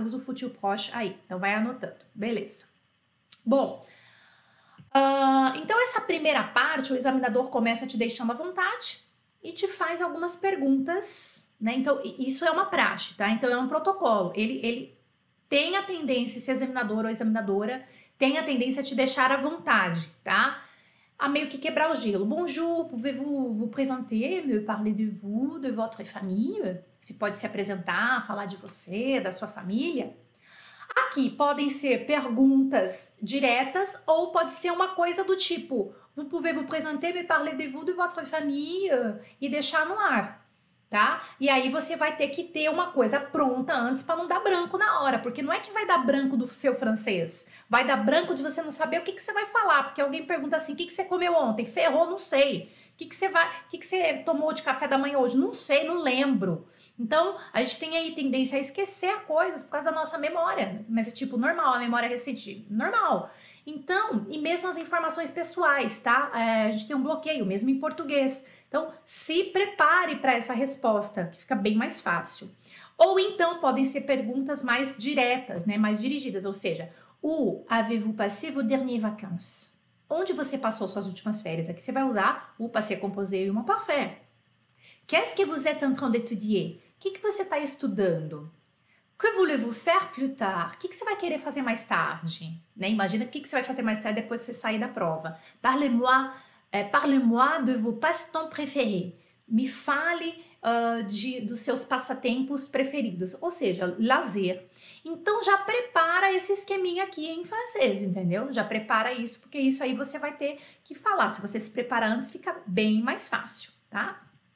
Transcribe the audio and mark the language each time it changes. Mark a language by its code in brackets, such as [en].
[pt] Usa o futuro proche aí, então vai anotando, beleza. Bom, então essa primeira parte, o examinador começa te deixando à vontade e te faz algumas perguntas, né? Então, isso é uma praxe, tá? Então, é um protocolo. Ele tem a tendência, esse examinador ou examinadora, tem a tendência a te deixar à vontade, tá? A meio que quebrar o gelo. [fr] Bonjour, pouvez-vous vous présenter, me parler de vous, de votre famille? [pt] Você pode se apresentar, falar de você, da sua família? Aqui podem ser perguntas diretas ou pode ser uma coisa do tipo: [fr] vous pouvez vous présenter, me parler de vous, de votre famille? [pt] E deixar no ar, tá? E aí você vai ter que ter uma coisa pronta antes para não dar branco na hora, porque não é que vai dar branco do seu francês, vai dar branco de você não saber o que que você vai falar, porque alguém pergunta assim: o que que você comeu ontem? Ferrou, não sei. O que que você tomou de café da manhã hoje? Não sei, não lembro. Então, a gente tem aí tendência a esquecer coisas por causa da nossa memória, mas é tipo normal, a memória recente, normal. Então, e mesmo as informações pessoais, tá? A gente tem um bloqueio, mesmo em português. Então, se prepare para essa resposta, que fica bem mais fácil. Ou então, podem ser perguntas mais diretas, né? Mais dirigidas, ou seja, [fr] où avez-vous passé vos dernières vacances? [pt] Onde você passou suas últimas férias? Aqui você vai usar o passé composé e o imparfait. [fr] Qu'est-ce que vous êtes en train d'étudier? [pt] O que você está estudando? [fr] Que voulez-vous faire plus tard? [pt] O que você vai querer fazer mais tarde? Né? Imagina o que você vai fazer mais tarde depois de você sair da prova. [fr] Parlez-moi de vos passe-temps préférés. [pt] Me fale dos seus passatempos preferidos, ou seja, lazer. Então já prepara esse esqueminha aqui em francês, entendeu? Já prepara isso, porque isso aí você vai ter que falar. Se você se preparar antes, fica bem mais fácil, tá?